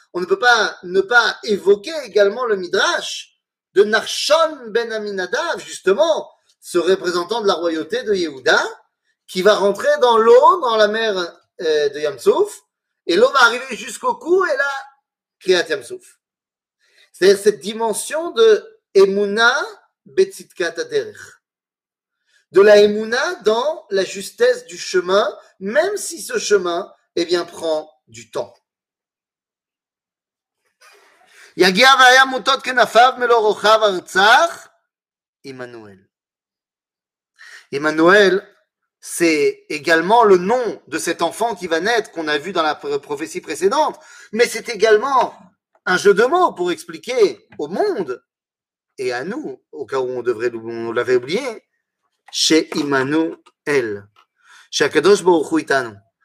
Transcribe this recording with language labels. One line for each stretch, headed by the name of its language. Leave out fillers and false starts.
French: On ne peut pas ne pas évoquer également le Midrash de Nachshon ben Aminadav, justement, ce représentant de la royauté de Yehuda, qui va rentrer dans l'eau, dans la mer de Yamsouf, et l'eau va arriver jusqu'au cou, et là, Kriyat Yamsouf. C'est-à-dire cette dimension de
Hebrew: Emouna Betzidkat Aderech.
French: De la Emouna dans la justesse du chemin, même si ce chemin, eh bien, prend du temps.
Hebrew: יגיע והיה מוטות כנפיו מלוא רוחב ארצך, עמנואל.
French: עמנואל, c'est également le nom de cet enfant qui va naître, qu'on a vu dans la prophétie précédente, mais c'est également un jeu de mots pour expliquer au monde, et à nous, au cas où on l'avait oublié, chez Imanuel, chez
Hebrew: Akadosh Baruch Hu Itanu.